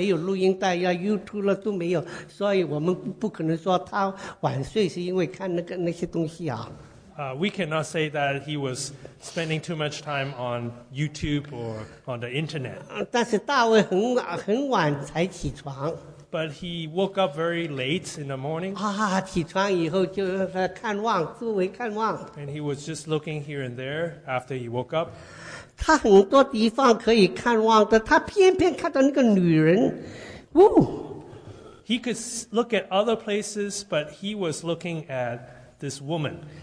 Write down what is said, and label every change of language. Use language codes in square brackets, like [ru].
[zh] 可能那个时候当然没有录音带，要YouTube了都没有， 所以我们不可能说他晚睡是因为看那些东西啊。 [en] We cannot say that he was spending too much time on YouTube or on the internet. [zh] 但是大卫很晚才起床。 [en] But he woke up very late in the morning. [zh] 起床以后就看望，周围看望。 [en] And he was just looking here and there after he woke up. [zh] 他很多地方可以看望的，他偏偏看到那个女人。 Woo! [en] He could look at other places, but he was looking at this woman.